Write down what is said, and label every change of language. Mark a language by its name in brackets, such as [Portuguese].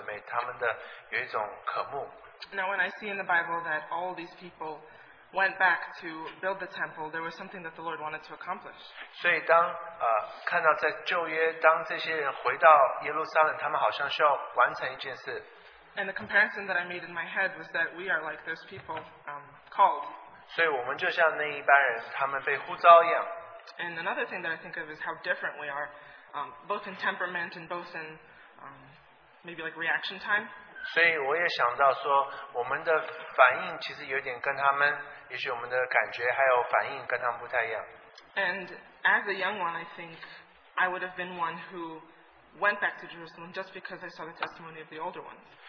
[Chinese] 我的感觉是年纪比较大的弟兄姊妹，他们的有一种渴慕。 [English] Now, when I see in the Bible that all these people went back to build the temple, there was something that the Lord wanted to accomplish. [Chinese] 所以当看到在旧约，当这些人回到耶路撒冷，他们好像需要完成一件事。 [English] And the comparison that I made in my head was that we are like those people called. [Chinese] 所以我们就像那一般人，他们被呼召一样。 [English] And another thing that I think of is how different we are, both in temperament and both in maybe like reaction time. [Chinese] 所以我也想到说，我们的反应其实有点跟他们，也许我们的感觉还有反应跟他们不太一样。 [English] And as a young one, I think I would have been one who went back to Jerusalem just because I saw the testimony of the older ones.